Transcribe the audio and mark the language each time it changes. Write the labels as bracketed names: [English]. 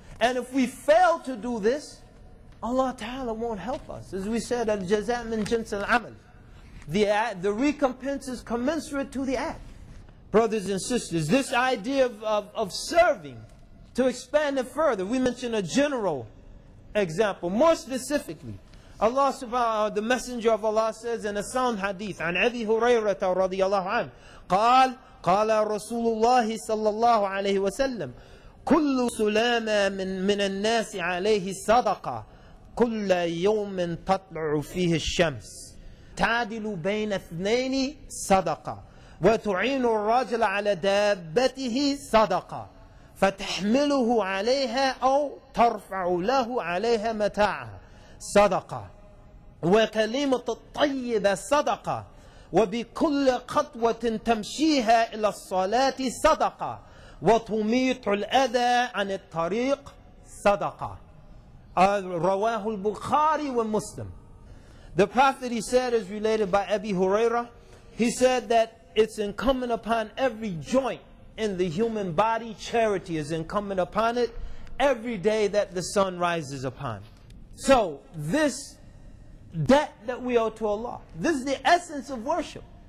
[English] And if we fail to do this, Allah Ta'ala won't help us. As we said, [Arabic] al-jaza' min jins al-amal. [English] The recompense is commensurate to the act. Brothers and sisters, this idea of serving, to expand it further, we mentioned a general example. More specifically, Allah subhanahu, the Messenger of Allah says in a sound hadith, [Arabic] عن أبي هريرة رضي الله عنه, قال, قال رسول الله صلى الله عليه وسلم, كل سلامة من الناس عليه صدقة كل يوم تطلع فيه الشمس تعدل بين اثنين صدقة وتعين الرجل على دابته صدقة فتحمله عليها أو ترفع له عليها متاعها صدقة وكلمة الطيبة صدقة وبكل خطوة تمشيها إلى الصلاة صدقة وتميت الأذى عن الطريق صدقة. رواه البخاري ومسلم. [English] The path that he said is related by Abi Huraira. He said that it's incumbent upon every joint in the human body. Charity is incumbent upon it every day that the sun rises upon. So this debt that we owe to Allah, this is the essence of worship.